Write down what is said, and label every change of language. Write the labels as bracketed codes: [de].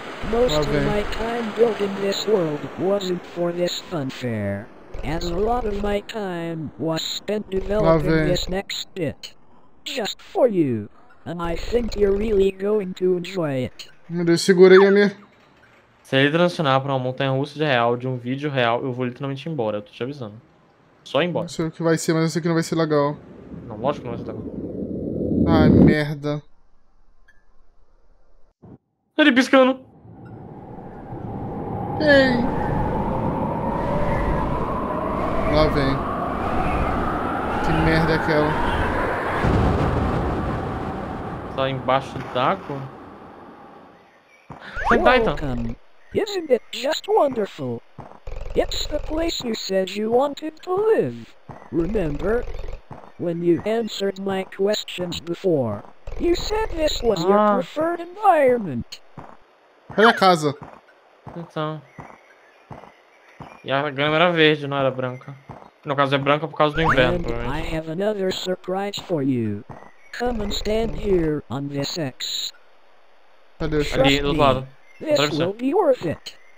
[en] Most of my time built in this world wasn't for this funfair, as a lot of my time was spent developing this next bit. Just for you, and I think you're really going to enjoy it. [pt] Meu Deus, segurei a minha. Se ele transicionar pra uma montanha russa de real, de um vídeo real, eu vou literalmente embora, eu tô te avisando. Só embora. Não sei o que vai ser, mas eu sei que não vai ser legal. Não, lógico que não vai ser legal. Ai, merda. Ele piscando. Ei! Lá vem. Que merda é aquela? Tá embaixo do taco? [en] Welcome. Isn't it just wonderful? It's the place you said you wanted to live. Remember? When you answered my questions before, you said this was your preferred environment. [pt] Olha a casa. Então. E a grama era verde, não era branca. No caso é branca por causa do inverno, provavelmente. [en] I have another surprise for you. Come and stand here on this X. [pt] Cadê? Ali do lado. [en] This will be worth it.